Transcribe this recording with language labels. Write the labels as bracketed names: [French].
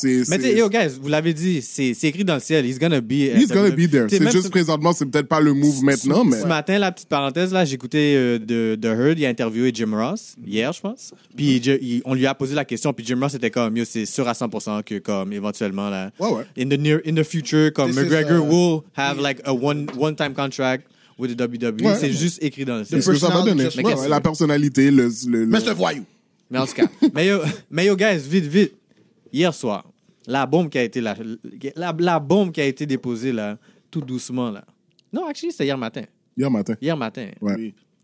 [French] Mais tu sais, yo, guys, vous l'avez dit, c'est écrit dans le ciel. [English] He's gonna be there. [French] C'est juste présentement, c'est peut-être pas le move maintenant. Ce matin, la petite parenthèse, là, j'écoutais The Herd, il a interviewé Jim Ross, hier, je pense. Puis on lui a posé la question, puis Jim Ross était comme, yo, c'est sûr à 100% que, comme, éventuellement, là. [English] In the future, comme, McGregor will have, like, a one-time contract. With the WWE. [French] Ouais. C'est juste écrit dans le ciel. C'est ce que ça va donner. La personnalité, le. Mais c'est voyou. Mais en tout cas, mais yo, guys, vite. Hier soir, la bombe qui a été la bombe qui a été déposée là, tout doucement là. Non, actually, c'est hier matin. Ouais.